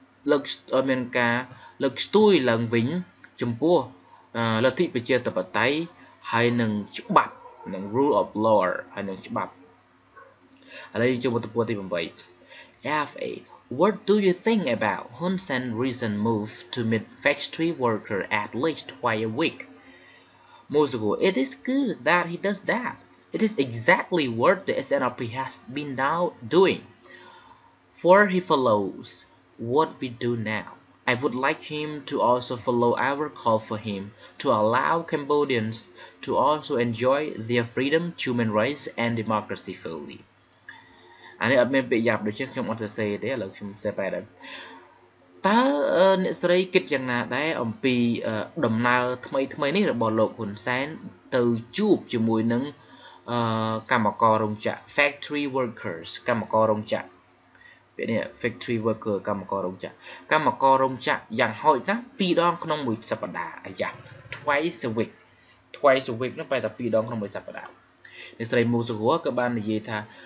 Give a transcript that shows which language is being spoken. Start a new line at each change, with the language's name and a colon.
Khmer: លើកឲ្យមានការលើកស្ទួយឡើងវិញចំពោះលទ្ធិប្រជាធិបតេយ្យហើយនឹងច្បាប់និង rule of law ហើយនឹងច្បាប់ឥឡូវយើងចូលមកទៅទី8
English: FA What do you think about Hun Sen's recent move to meet factory workers at least twice a week? Musugo, it is good that he does that. It is exactly what the CNRP has been now doing. For he follows what we do now. I would like him to also follow our call for him to allow Cambodians to also enjoy their freedom, human rights, and democracy fully.
Khmer: អានេះអត់មានពាក្យយ៉ាប់ដូចខ្ញុំអត់សរសេរទេឥឡូវខ្ញុំសរសេរដែរតើអ្នកស្រីគិតយ៉ាងណាដែរអំពីដំណើរថ្មីថ្មីនេះរបស់លោកហ៊ុនសែនទៅជួបជាមួយនឹង កម្មកររោងចក្រ factory workers កម្មកររោងចក្រពាក្យនេះ factory worker កម្មកររោងចក្រកម្មកររោងចក្រយ៉ាងហោចណាស់2ដងក្នុងមួយសប្តាហ៍អាយ៉ា
English: twice a week twice a week
Khmer: នោះប្រហែលតែ2ដងក្នុងមួយសប្តាហ៍អ្នកស្រីមូសុខួរក៏បាននិយាយថា